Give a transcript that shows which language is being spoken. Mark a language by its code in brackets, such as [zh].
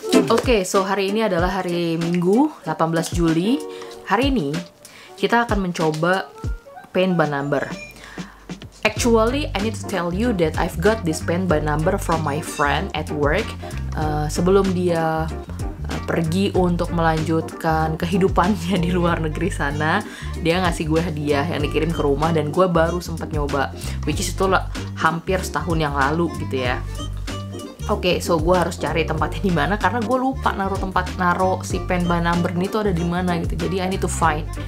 [id] Oke, so hari ini adalah hari Minggu, 18 Juli. Hari ini, kita akan mencoba pen by number. [en] Actually, I need to tell you that I've got this pen by number from my friend at work. [id] Sebelum dia pergi untuk melanjutkan kehidupannya di luar negeri sana, dia ngasih gue hadiah yang dikirim ke rumah dan gue baru sempat nyoba. [en] Which is [id] itu hampir setahun yang lalu gitu ya. Oke, [en] okay, so [id] gue harus cari tempatnya di mana karena gue lupa naro si pen by number ini tuh ada di mana gitu. Jadi [en] I need to find.